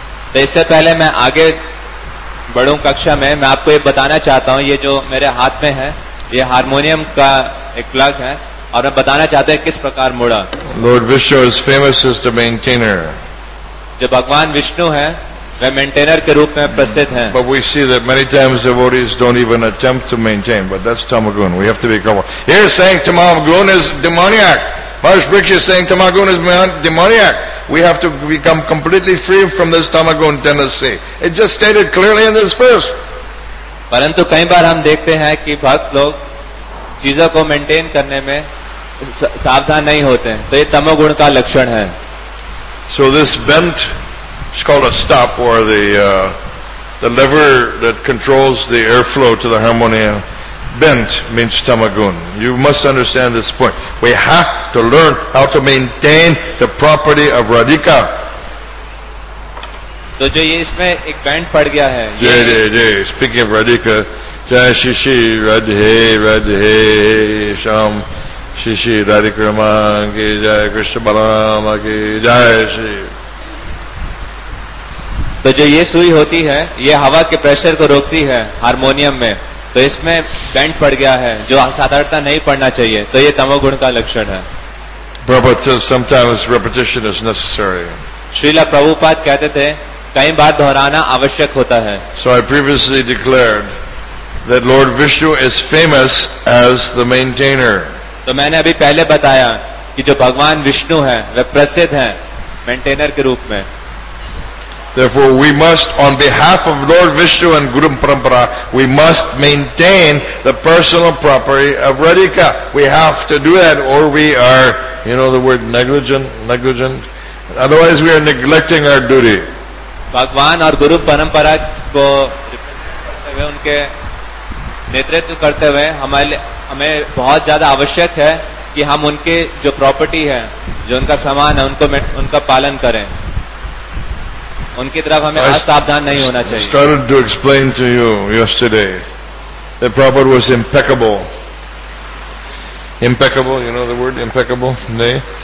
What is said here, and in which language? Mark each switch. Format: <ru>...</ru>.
<hi>तो इससे पहले मैं आगे बढ़ूं कक्षा में, मैं आपको ये बताना चाहता हूँ ये जो मेरे हाथ में है ये हारमोनियम का एक प्लग है और मैं बताना चाहता हूँ किस प्रकार मुड़ा.</hi> <en>Lord Vishnu is famous as the maintainer.</en> <hi>जो भगवान विष्णु है वह मेंटेनर के रूप में प्रसिद्ध हैं.</hi> <en>But we see that many times devotees don't even attempt to maintain, but that's tamagun. We have to be careful. Here saying tamagun is demoniac. Parashvriksh is saying tamagun is demoniac. We have to become completely free from this tamagun tendency. It just stated clearly in this verse.</en> <hi>परंतु कई बार हम देखते हैं कि भक्त लोग चीजों को मेंटेन करने में सावधान नहीं होते हैं. तो ये तमोगुण का लक्षण है.</hi> <en>So this bent is called a stop, or the lever that controls the airflow to the harmonium. Bent means tamagun. You must understand this point. We have to learn how to maintain the property of radhika.</en> <hi>तो जो ये इसमें एक bent पड़ गया है. जी जी जी.</hi> <en>Speaking of radhika,</en> <hi>जय शिशि राधे राधे श्याम शिशि राधिक्रमा की जय कृष्ण बलराम की जय श्री. तो जो ये सुई होती है ये हवा के प्रेशर को रोकती है हारमोनियम में. तो इसमें बेंट पड़ गया है जो साधारणता नहीं पड़ना चाहिए. तो ये तमोगुण का लक्षण है.</hi> <en>Sometimes repetition is necessary.</en> <hi>Srila Prabhupada कहते थे कई बार दोहराना आवश्यक होता है.</hi> <en>So I previously declared that Lord Vishnu is famous as the maintainer.</en> <hi>तो मैंने अभी पहले बताया कि जो भगवान विष्णु है वे प्रसिद्ध हैं मेंटेनर के रूप में.</hi> <en>Therefore, we must, on behalf of Lord Vishnu and Guru Parampara, we must maintain the personal property of Radhika. We have to do that, or we are, you know, the word negligent. Otherwise, we are neglecting our duty.</en> <hi>Bhagwan aur Guru Parampara ko represent karte hue, unke netritv karte hue, hame bahut zyada avashyak hai ki hum unke jo property hai, jo unka saman hai, unka palan karein. उनकी तरफ हमें आज सावधान नहीं होना चाहिए.</hi> <en>Started to explain to you yesterday that Prabhupada was impeccable. Impeccable, you know the word impeccable? Nay.</en>